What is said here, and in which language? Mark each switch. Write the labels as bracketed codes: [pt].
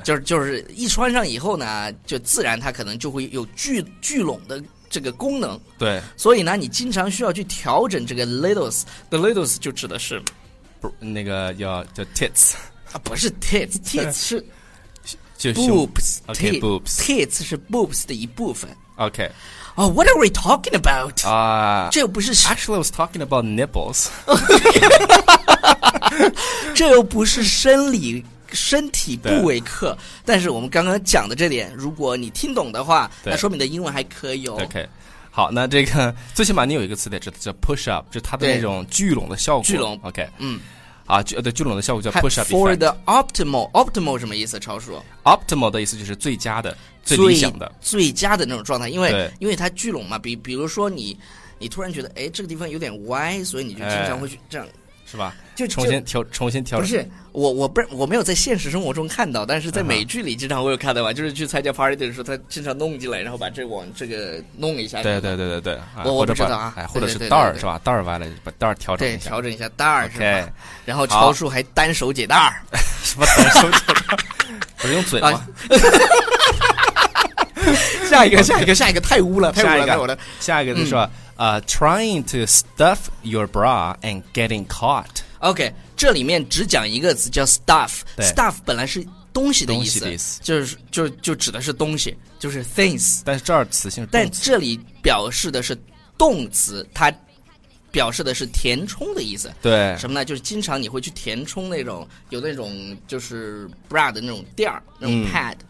[zh] 就是一穿上以后呢，就自然它可能就会有聚拢的这个功能，对，所以呢你经常需要去调整这个 littles， the littles 就指的是不那个叫 tits 啊，不是 tits 是就 [en] boobs， okay, boobs [zh] tits 是 boobs 的一部分， [en] OK， oh what are we talking about [zh] 啊，这又不是 [en] actually I was talking about nipples [zh] 这又不是身体部位课，但是我们刚刚讲的这点，如果你听懂的话，那说明你的英文还可以哦。 OK， 好，那这个最起码你有一个词得知道，叫 push up， 就它的那种聚拢的效果。聚拢 [en] ，OK， [zh] 嗯，啊，对，聚拢的效果叫 push up。 [en] For the optimal [zh] 什么意思？超叔，optimal 的意思就是最佳的、最理想的、最佳的那种状态，因为它聚拢嘛。比如说你突然觉得哎这个地方有点歪，所以你就经常会去这样。是吧？就重新调不是我没有在现实生活中看到，但是在美剧里经常我有看到吧，就是去参加 party 的时候，他经常弄进来，然后把这往这个弄一下。对对对对对，我不知道啊，或者是袋儿是吧？袋儿歪了，把袋儿调整一下，对，调整一下袋儿是吧？ [en] Okay, [zh] 然后超叔还单手解袋儿，什么单手解袋儿？不是用嘴吗？下一个太污了，下一个就说。 [en] trying to stuff your bra and getting caught. [zh] OK， 这里面只讲一个词叫 stuff。stuff 本来是东西的意思，就指的是东西，就是 things。但是这儿词性是动词，但这里表示的是动词，它表示的是填充的意思。对，什么呢？就是经常你会去填充那种有那种就是 bra 的那种垫儿，那种 pad。